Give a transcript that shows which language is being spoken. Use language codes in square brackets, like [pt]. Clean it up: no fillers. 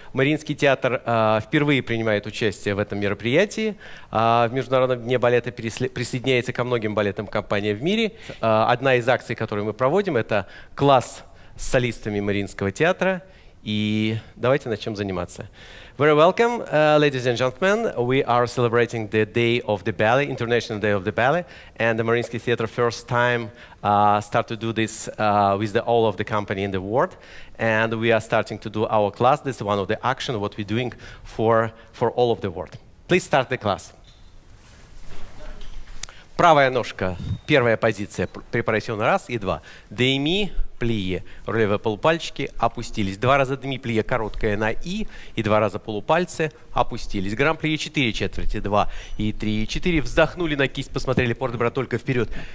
[ru] Мариинский театр впервые принимает участие в этом мероприятии. В Международном дне балета присоединяется ко многим балетным компаниям в мире. Одна из акций, которую мы проводим, это класс с солистами Мариинского театра. И давайте начнем заниматься. [en] Very welcome, ladies and gentlemen. We are celebrating the Day of the Ballet, International Day of the Ballet, and the Mariinsky Theatre first time start to do this with the all of the company in the world. And we are starting to do our class. This is one of the action what we're doing for all of the world. Please start the class. [ru] Правая ножка, первая позиция, препарационный раз и два. Деми, плие, рулевые полупальчики опустились. Два раза деми-плие, короткое на и, и два раза полупальцы опустились. Гран-плие 4 четверти, 2 и 3 и 4. Вздохнули на кисть, посмотрели портебра только вперед.